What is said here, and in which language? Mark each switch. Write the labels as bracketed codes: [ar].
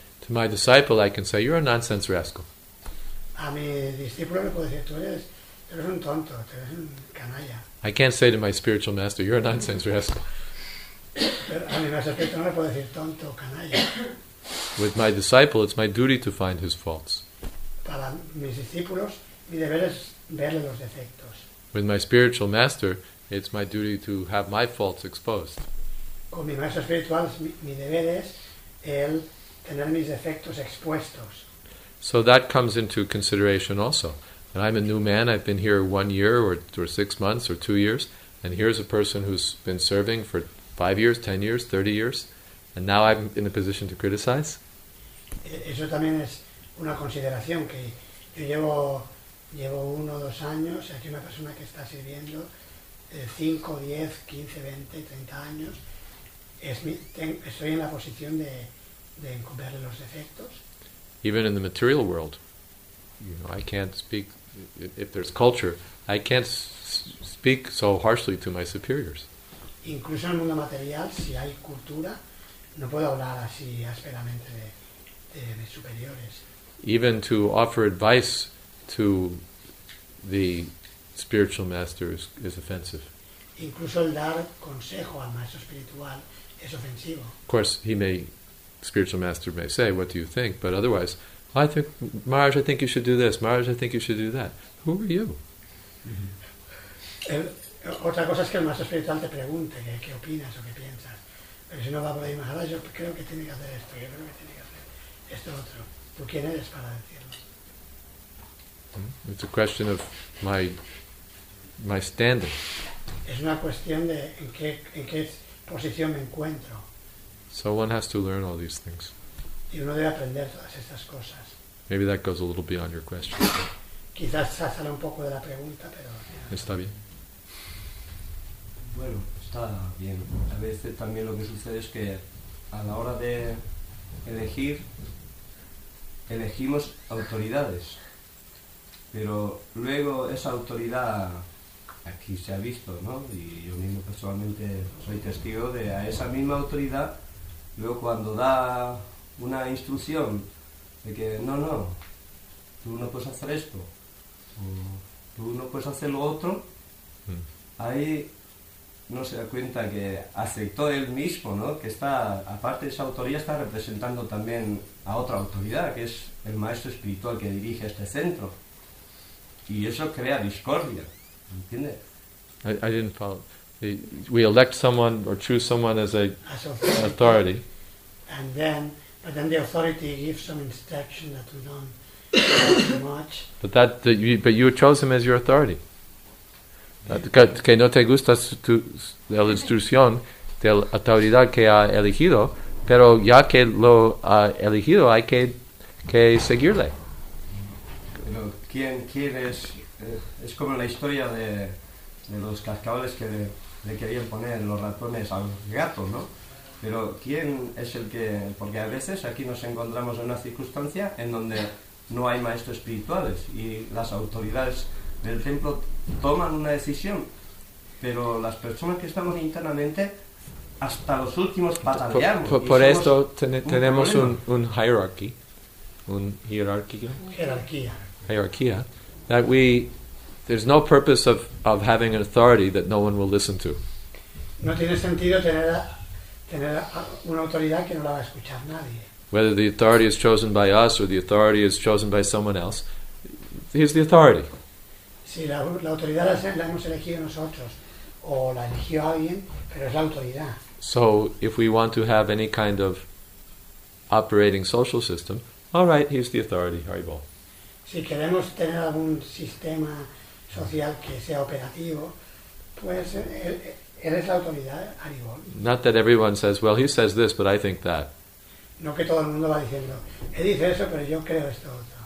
[en] To my disciple, I can say, "You're a nonsense rascal." [es] A mi discípulo le puedo decir, "Tú eres un tonto, tú eres un canalla." [en] I can't say to my spiritual master, "You're a nonsense rascal." [es] Pero a mi maestro espiritual no le puedo decir tonto, canalla. [en] With my disciple, it's my duty to find his faults. [es] Para mis discípulos, mi deber es verle los defectos. [en] With my spiritual master, it's my duty to have my faults exposed. [es] Con mi maestro espiritual, mi deber es el tener mis defectos expuestos. [en] So that comes into consideration also. And I'm a new man, I've been here 1 year or 6 months or 2 years, and here's a person who's been serving for 5 years, 10 years, 30 years, and now I'm in a position to criticize. [es] Eso también es una consideración, que yo llevo 1 o 2 años, y aquí una persona que está sirviendo 5, 10, 15, 20, 30 años, estoy en la posición de encubrirle los defectos. [en] Even in the material world, you know, I can't speak, if there's culture, I can't speak so harshly to my superiors. [es] Incluso en el mundo material, si hay cultura, no puedo hablar así ásperamente de mis superiores. [en] Even to offer advice to the spiritual master is offensive. [es] Incluso el dar consejo al maestro espiritual es ofensivo. [en] Of course, spiritual master may say, "What do you think?" But otherwise, "I think, Maharaj, I think you should do this. Maharaj, I think you should do that." Who are you? [es] Otra cosa es que el maestro espiritual te pregunte qué opinas o qué piensas. Pero si no va por ahí, Maharaj, yo creo que tiene que hacer esto, yo creo que tiene que hacer esto otro. ¿Tú quién eres para decirlo? [en] It's a question of my standing. [es] Es una cuestión de en qué posición me encuentro. [en] So one has to learn all these things. [es] Y uno debe aprender todas estas cosas. [en] Maybe that goes a little beyond your question. [es] Quizás se sale un poco de la pregunta, pero... Está bien. Bueno, está bien. A veces también lo que sucede es que a la hora de elegir, elegimos autoridades. Pero luego esa autoridad, aquí se ha visto, ¿no? Y yo mismo personalmente soy testigo de a esa misma autoridad. Luego cuando da una instrucción de que no, tú no puedes hacer esto, o tú no puedes hacer lo otro, ahí no se da cuenta que aceptó él mismo, ¿no? Que está, aparte de esa autoridad, está representando también a otra autoridad, que es el maestro espiritual que dirige este centro. Y eso crea discordia, ¿entiendes? [en] I didn't follow. We elect someone or choose someone as an authority. And then, but then the authority gives some instruction that we don't too much. But you chose him as your authority. [es] Que no te gusta tu la instrucción de la autoridad que ha elegido, pero ya que lo ha elegido, hay que seguirle. Pero quién es como la historia de los cascabeles que le querían poner los ratones al gato, ¿no? Pero ¿quién es el que...? Porque a veces aquí nos encontramos en una circunstancia en donde no hay maestros espirituales y las autoridades del templo toman una decisión, pero las personas que estamos internamente hasta los últimos patas de árbol. Por esto tenemos un hierarchy, un hierarquía. Hierarquía. [en] That we, there's no purpose of having an authority that no one will listen to. [es] No tiene sentido tener una autoridad que no la va a escuchar nadie. [en] Whether the authority is chosen by us or the authority is chosen by someone else, here's the authority. [es] Si la autoridad la hemos elegido nosotros o la eligió alguien, pero es la autoridad. [en] So if we want to have any kind of operating social system, all right, here's the authority, Haribo. [es] Si queremos tener algún sistema social que sea operativo, pues él es la autoridad, Haribo. [en] Not that everyone says, well, he says this, but I think that. [es] No que todo el mundo va diciendo, él dice eso, pero yo creo esto otro.